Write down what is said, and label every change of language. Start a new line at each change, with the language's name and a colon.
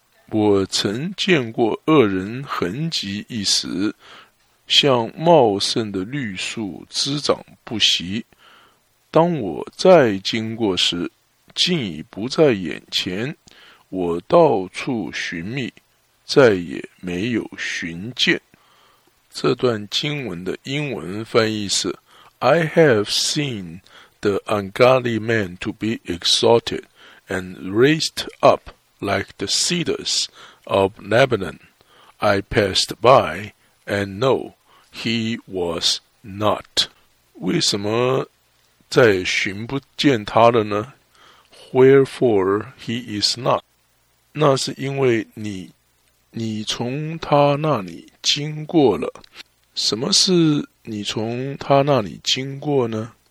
Chinese: 我曾见过恶人横极一时，像茂盛的绿树滋长不息。当我再经过时，竟已不在眼前。我到处寻觅，再也没有寻见。这段经文的英文翻译是
English: I have seen the ungodly man to be exalted and raised up like the cedars of Lebanon. I passed by and know he was not.
Chinese: 为什么再寻不见他了呢？
English: Wherefore he is not.
Chinese: 那是因为你从他那里经过了。什么是你从他那里经过呢？